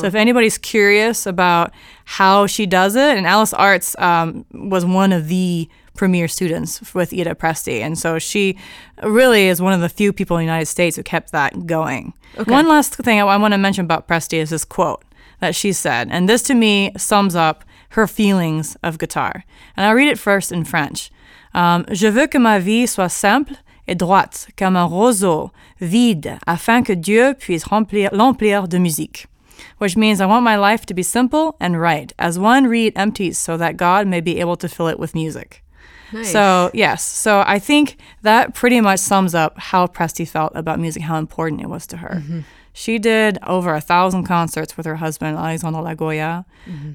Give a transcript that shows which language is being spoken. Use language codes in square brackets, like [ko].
[en] So if anybody's curious about how she does it, and Alice Arts was one of the premier students with Ida Presti. And so she really is one of the few people in the United States who kept that going. Okay. One last thing I want to mention about Presti is this quote that she said, and this to me sums up her feelings of guitar. And I read it first in French. [fr] Je veux que ma vie soit simple et droite, comme un roseau vide, afin que Dieu puisse l'emplir de musique. [en] Which means I want my life to be simple and right, as one reed empties so that God may be able to fill it with music. Nice. So, yes. So I think that pretty much sums up how Presti felt about music, how important it was to her. Mm-hmm. She did over 1,000 concerts with her husband, Alexandre Lagoya, mm-hmm.